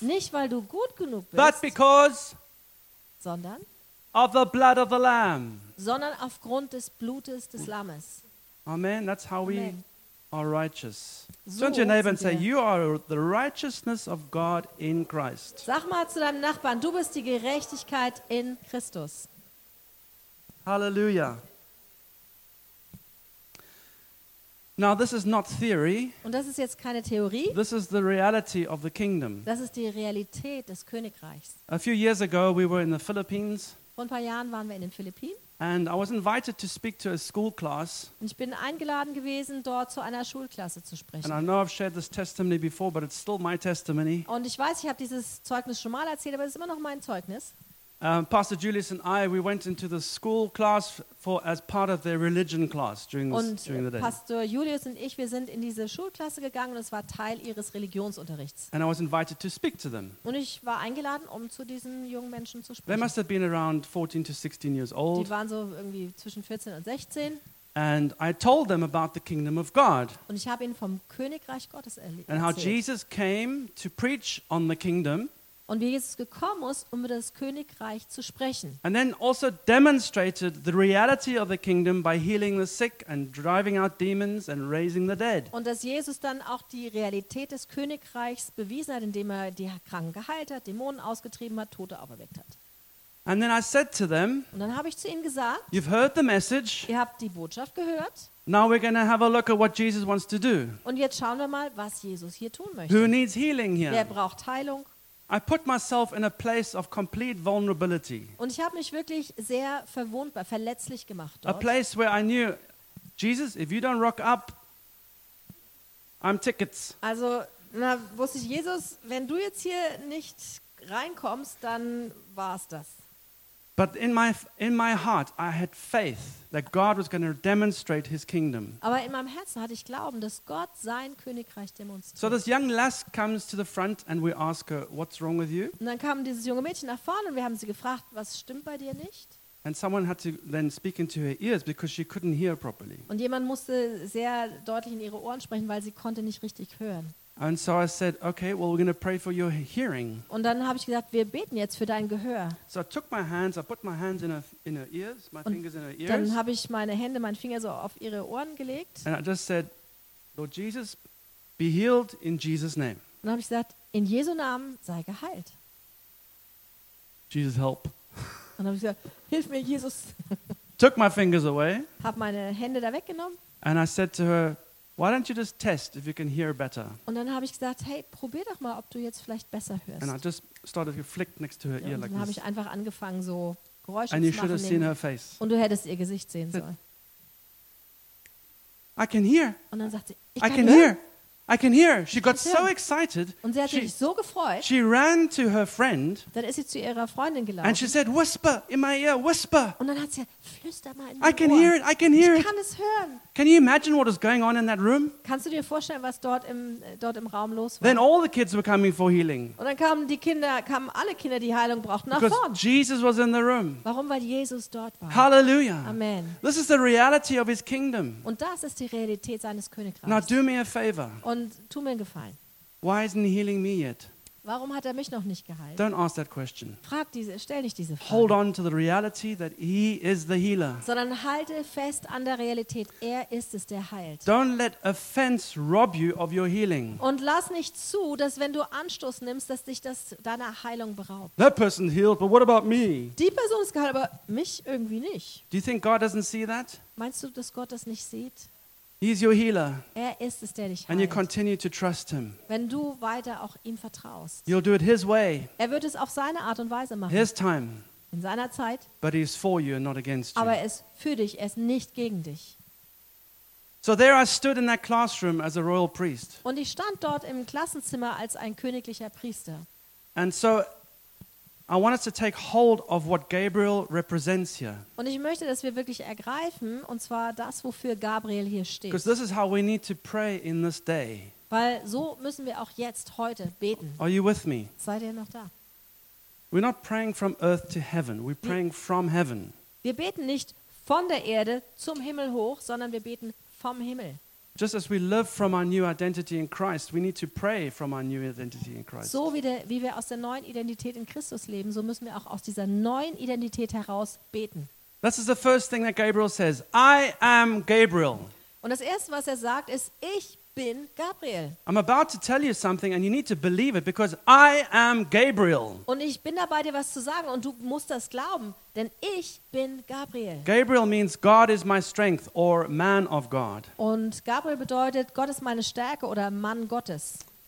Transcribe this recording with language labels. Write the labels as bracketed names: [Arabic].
[German] Nicht weil du gut genug bist. [English] But because, [German] sondern [English] of the blood of the Lamb. [German] Sondern aufgrund des Blutes des Lammes. Amen. [English] That's how we are righteous. So turn to your neighbor and say, you are the righteousness of God in Christ. [German] Sag mal zu deinem Nachbarn, du bist die Gerechtigkeit in Christus. Halleluja. [English] Now this is not theory. [German] Und das ist jetzt keine Theorie. [English] This is the reality of the kingdom. [German] Das ist die Realität des Königreichs. [English] A few years ago we were in the Philippines. [German] Vor ein paar Jahren waren wir in den Philippinen. [English] And I was invited to speak to a school class. [German] Und ich bin eingeladen gewesen, dort zu einer Schulklasse zu sprechen. [English] And I know I've shared this testimony before, but it's still my testimony. [German] Und ich weiß, ich habe dieses Zeugnis schon mal erzählt, aber es ist immer noch mein Zeugnis. [English] Pastor Julius and I, we went into the school class for as part of their religion class during the day. [German] Und Pastor Julius und ich, wir sind in diese Schulklasse gegangen und es war Teil ihres Religionsunterrichts. [English] And I was invited to speak to them. [German] Und ich war eingeladen, um zu diesen jungen Menschen zu sprechen. [English] They must have been around 14 to 16 years old. [German] Die waren so irgendwie zwischen 14 und 16. [English] And I told them about the kingdom of God. [German] Und ich habe ihnen vom Königreich Gottes erzählt. [English] And how Jesus came to preach on the kingdom. [German] Und wie Jesus gekommen ist, um über das Königreich zu sprechen. [English] And then also demonstrated the reality of the kingdom by healing the sick and driving out demons and raising the dead. [German] Und dass Jesus dann auch die Realität des Königreichs bewiesen hat, indem er die Kranken geheilt hat, Dämonen ausgetrieben hat, Tote auferweckt hat. [English] And then I said to them, [German] und dann habe ich zu ihnen gesagt, [English] you've heard the message. [German] Ihr habt die Botschaft gehört. [English] Now we're going to have a look at what Jesus wants to do. [German] Und jetzt schauen wir mal, was Jesus hier tun möchte. [English] Who needs healing here? [German] Wer braucht Heilung? [English] I put myself in a place of complete vulnerability. [German] Und ich habe mich wirklich sehr verwundbar, verletzlich gemacht dort. [English] A place where I knew, Jesus, if you don't rock up, I'm tickets. [German] Also, na, wusste ich, Jesus, wenn du jetzt hier nicht reinkommst, dann war's das. [English] But in my heart I had faith that God was going to demonstrate his kingdom. [German] Aber in meinem Herzen hatte ich Glauben, dass Gott sein Königreich demonstriert. [English] So this young lass comes to the front and we ask her, what's wrong with you? [German] Und dann kam dieses junge Mädchen nach vorne und wir haben sie gefragt, was stimmt bei dir nicht? [English] And someone had to then speak into her ears because she couldn't hear properly. [German] Und jemand musste sehr deutlich in ihre Ohren sprechen, weil sie konnte nicht richtig hören. [English] And so I said, okay, well we're going to pray for your hearing. [German] Und dann habe ich gesagt, wir beten jetzt für dein Gehör. [English] So I took my hands, I put my hands in her ears, my [German] und [English] fingers in her ears. [German] Dann habe ich meine Hände, meinen Finger so auf ihre Ohren gelegt. [English] And I just said, Lord Jesus, be healed in Jesus' name. [German] Und dann habe ich gesagt, in Jesu Namen sei geheilt. [English] Jesus help. [German] Und dann habe ich gesagt, hilf mir Jesus. [English] Took my fingers away. [German] Habe meine Hände da weggenommen. [English] And I said to her, why don't you just test if you can hear better? [German] Und dann habe ich gesagt, hey, probier doch mal, ob du jetzt vielleicht besser hörst. [English] And I just started to flick next to her ear like this. [German] Dann habe ich einfach angefangen, so Geräusche zu machen. [English] And you should have seen her face. [German] Und du hättest ihr Gesicht sehen sollen. [English] I can hear. [German] Und dann sagte sie, [English] I can hear. She got so excited. [German] Und sie hat sich so gefreut. [English] She ran to her friend. [German] Dann ist sie zu ihrer Freundin gelaufen. [English] And she said, whisper in my ear, whisper. [German] Und dann hat sie gesagt, flüster mal in mein Ohr. [English] I can hear it, I can hear it. [German] Ich kann es hören. [English] Can you imagine what was going on in that room? [German] Kannst du dir vorstellen, was dort im Raum los war? [English] Then all the kids were coming for healing. [German] Und dann kamen alle Kinder, die Heilung brauchten, nach vorne. [English] Because Jesus was in the room. [German] Warum? Weil Jesus dort war. [English] Hallelujah. Amen. This is the reality of his kingdom. [German] Und das ist die Realität seines Königreichs. [English] Now do me a favor. [German] Und tu mir einen Gefallen. [English] Why isn't he healing me yet? [German] Warum hat er mich noch nicht geheilt? [English] Don't ask that question. [German] Stell nicht diese Frage. [English] Hold on to the reality that he is the healer. [German] Sondern halte fest an der Realität. Er ist es, der heilt. [English] Don't let offense rob you of your healing. [German] Und lass nicht zu, dass wenn du Anstoß nimmst, dass dich das deiner Heilung beraubt. [English] That person healed, but what about me? [German] Die Person ist geheilt, aber mich irgendwie nicht. [English] Do you think God doesn't see that? [German] Meinst du, dass Gott das nicht sieht? [English] He's your healer. [German] Er ist es, der dich heilt. [English] And you continue to trust him. [German] Wenn du weiter auch ihm vertraust. [English] You'll do it his way. [German] Er wird es auf seine Art und Weise machen. [English] His time. [German] In seiner Zeit. [English] But he's for you and not against you. [German] Aber er ist für dich, er ist nicht gegen dich. [English] So there I stood in that classroom as a royal priest. [German] Und ich stand dort im Klassenzimmer als ein königlicher Priester. [English] And so I want us to take hold of what Gabriel represents here. [German] Und ich möchte, dass wir wirklich ergreifen, und zwar das, wofür Gabriel hier steht. [English] Because this is how we need to pray in this day. [German] Weil so müssen wir auch jetzt heute beten. [English] Are you with me? [German] Seid ihr noch da? [English] We're not praying from earth to heaven. We're praying from heaven. [German] Wir beten nicht von der Erde zum Himmel hoch, sondern wir beten vom Himmel. [English] Just as we live from our new identity in Christ, we need to pray from our new identity in Christ. [German] So wie wir aus der neuen Identität in Christus leben, so müssen wir auch aus dieser neuen Identität heraus beten. [English] This is the first thing that Gabriel says. I am Gabriel. [German] Und das erste, was er sagt, ist, ich bin Gabriel. [English] I'm about to tell you something and you need to believe it because I am Gabriel. [German] Und ich bin dabei, dir was zu sagen und du musst das glauben, denn ich bin Gabriel. [English] Gabriel means God is my strength or man of God. [German] Und Gabriel bedeutet, Gott ist meine Stärke oder Mann Gottes.